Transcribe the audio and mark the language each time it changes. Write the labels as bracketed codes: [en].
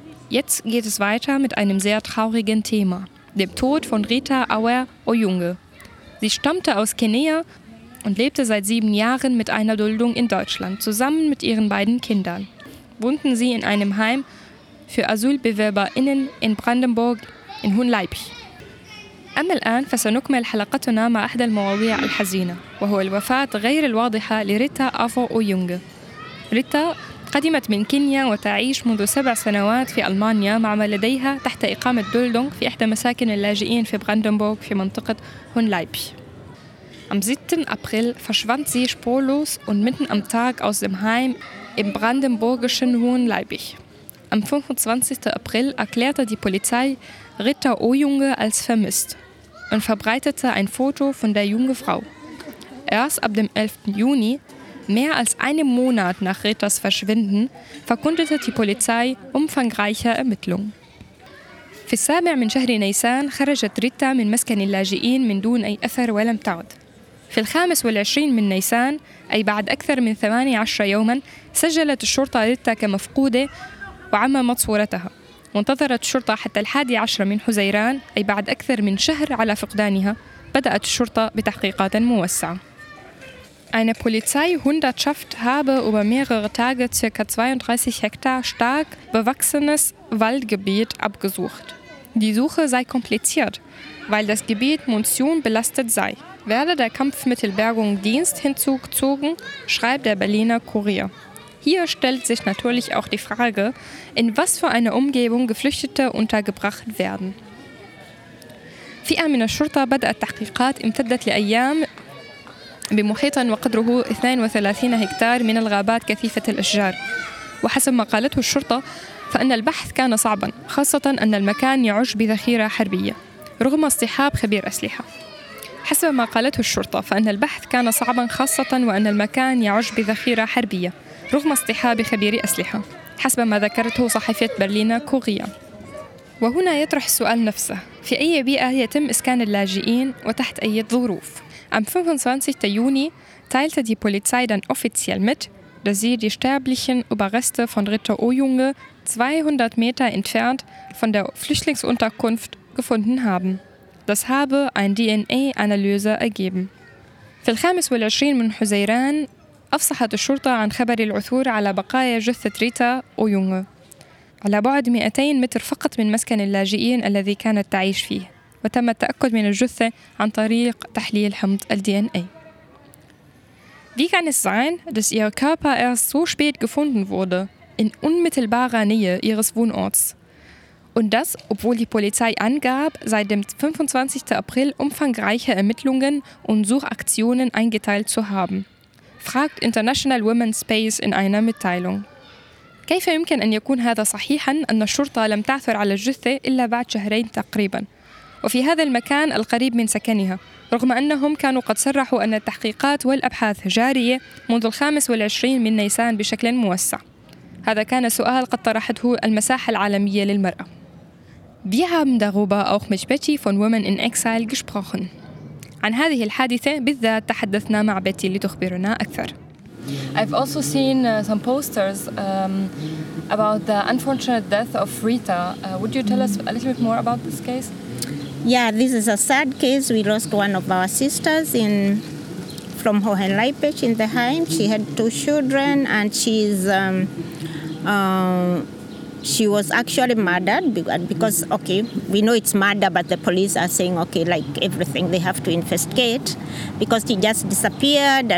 [de] Jetzt geht es weiter mit einem sehr traurigen Thema, dem Tod von Rita Auer Oyunge. Sie stammte aus Kenia und lebte seit 7 Jahren mit einer Duldung in Deutschland, zusammen mit ihren beiden Kindern. Wohnten sie in einem Heim für AsylbewerberInnen in Brandenburg in Hunleipich. [ar] أما الآن فسنكمل حلقتنا مع أحد المواضيع الحزينة وهو الوفاة غير الواضحة لريتا أفو أويونغ. ريتا قدمت من كينيا وتعيش منذ 7 سنوات في ألمانيا مع ما لديها تحت إقامة دولدونغ في إحدى مساكن اللاجئين في براندنبورغ في منطقة هونلايبي. [de] Am 7. April verschwand sie spurlos und mitten am Tag aus dem Heim im brandenburgischen Hohenleipi. Am 25. April erklärte die Polizei Rita Oyunge als vermisst und verbreitete ein Foto von der jungen Frau. Erst ab dem 11. Juni, mehr als einen Monat nach Ritas Verschwinden, verkündete die Polizei umfangreiche Ermittlungen. [ar] في السابع من شهر نيسان خرجت ريتا من مسكن اللاجئين من دون أي أثر ولم تعد. في 25 من نيسان، أي بعد أكثر من 18 يوما، سجلت الشرطة ريتا كمفقودة وعممت صورتها. وانتظرت الشرطة حتى 11 من حزيران، أي بعد أكثر من شهر على فقدانها، بدأت الشرطة بتحقيقات موسعة. [de] Eine Polizeihundertschaft habe über mehrere Tage ca. 32 Hektar stark bewachsenes Waldgebiet abgesucht. Die Suche sei kompliziert, weil das Gebiet monsunbelastet sei. Werde der Kampfmittelbergungsdienst hinzugezogen, schreibt der Berliner Kurier. Hier stellt sich natürlich auch die Frage, in was für einer Umgebung Geflüchtete untergebracht werden. [ar] في أمن الشرطة بدأت تحقيقات امتدت لأيام بمحيط وقدره 32 هكتار من الغابات كثيفة الأشجار. وحسب ما قالته الشرطة فإن البحث كان صعبا، خاصة أن المكان يعج بذخيرة حربية رغم اصطحاب خبير أسلحة. حسب ما قالته الشرطة فإن البحث كان صعبا خاصة وأن المكان يعج بذخيرة حربية رغم اصطحاب خبير أسلحة حسب ما ذكرته صحفية برلين كوغيا. وهنا يطرح السؤال نفسه، في أي بيئة يتم إسكان اللاجئين وتحت أي ظروف؟ [de] Am 25. Juni teilte die Polizei dann offiziell mit, dass sie die sterblichen Überreste von Rita Oyunge 200 Meter entfernt von der Flüchtlingsunterkunft gefunden haben. Das habe ein DNA-Analyse ergeben. [ar] في 25 من حزيران أفصحت الشرطة عن خبر العثور على بقايا جثة ريتا أويونغه على بعد 200 متر فقط من مسكن اللاجئين الذي كانت تعيش فيه. وتم التأكد من الجثة عن طريق تحليل حمض الDNA. [de] Wie kann es sein, dass ihr Körper erst so spät gefunden wurde, in unmittelbarer Nähe ihres Wohnorts? Und das, obwohl die Polizei angab, seit dem 25. April umfangreiche Ermittlungen und Suchaktionen eingeteilt zu haben, fragt International Women's Space in einer Mitteilung. [ar] كيف يمكن أن يكون هذا صحيحاً أن الشرطة لم تعثر على الجثة إلا بعد شهرين تقريباً؟ وفي هذا المكان القريب من سكنها، رغم أنهم كانوا قد صرحوا أن التحقيقات والأبحاث جارية منذ 25 من نيسان بشكل موسع. هذا كان سؤال قد طرحته المساحة العالمية للمرأة. [de] Wir haben darüber auch mit Betty von Women in Exile gesprochen. [ar] عن هذه الحادثة بالذات تحدثنا مع بيتي لتخبرنا أكثر. [en] I've also seen some posters about the unfortunate death of Rita. Would you tell us a little bit more about this case? Yeah, this is a sad case. We lost one of our sisters from Hohenleipisch in the Heim. She had 2 children and she was actually murdered because, okay, we know it's murder, but the police are saying, okay, like everything they have to investigate because she just disappeared.